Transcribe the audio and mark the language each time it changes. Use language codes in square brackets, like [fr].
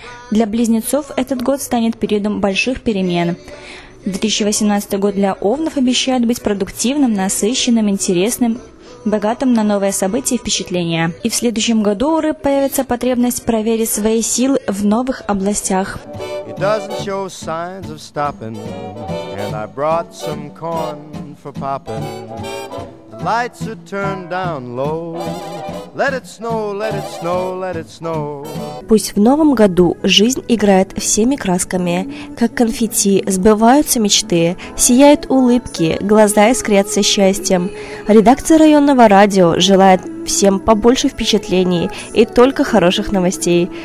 [ru] Для близнецов этот год станет периодом больших перемен. 2018 год для овнов обещает быть продуктивным, насыщенным, интересным, богатым на новые события и впечатления. И в следующем году у рыб появится потребность проверить свои силы в новых областях. [en] It doesn't show signs of stopping, and I brought some corn for popping. The lights are turned down low. Let it snow, let it snow, let it snow. [ru] Пусть в новом году жизнь играет всеми красками, как конфетти, сбываются мечты, сияют улыбки, глаза искрятся счастьем. Редакция районного радио желает всем побольше впечатлений и только хороших новостей.